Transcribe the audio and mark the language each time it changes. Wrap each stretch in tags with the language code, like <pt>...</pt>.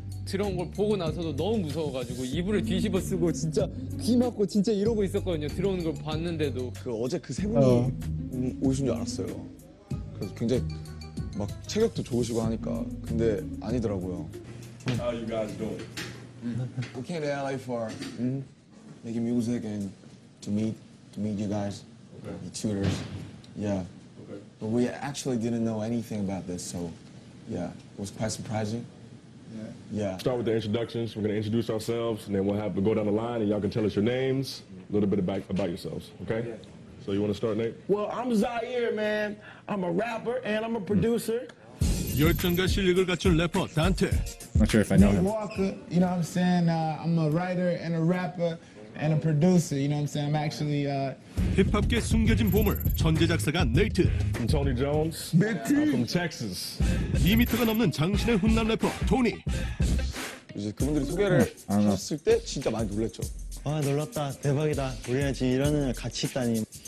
<ko>들어온 걸 보고 나서도 너무 무서워가지고 이불을 뒤집어 쓰고 진짜 귀 막고 진짜 이러고 있었거든요. 들어오는 걸 봤는데도 그 어제 그 세 분이 오신 줄 알았어요. 그래서 굉장히 막 체격도 좋으시고 하니까 근데 아니더라고요.</ko> <en>How you guys doing? We came to LA for making music and to meet you guys, okay. The tutors, yeah. Okay. But we actually didn't know anything about this, so yeah, it was quite surprising. Yeah. Start with the introductions. We're going to introduce ourselves, and then we'll have to go down the line, and y'all can tell us your names, a little bit about yourselves, okay? Yeah. So you want to start, Nate? Well, I'm Zaire, man. I'm a rapper, and I'm a producer.</en> <ko>열정과 실력을 갖춘 래퍼, Dante.</ko> <en>Not sure if I know him. Walker, you know what I'm saying? I'm a writer and a rapper and a producer, you know what I'm saying? I'm actually...</en> <ko>힙합계 숨겨진 보물, 천재작사가 네이트.</ko> <en>I'm Tony Jones. Yeah. I'm from Texas.</en> <ko>2m가 넘는 장신의 훈남 래퍼, 토니. 이제 그분들이 소개를 하셨을 때 진짜 많이 놀랬죠. 와, 놀랐다. 대박이다. 우리는 지금 이런 일을 같이 있다니.</ko>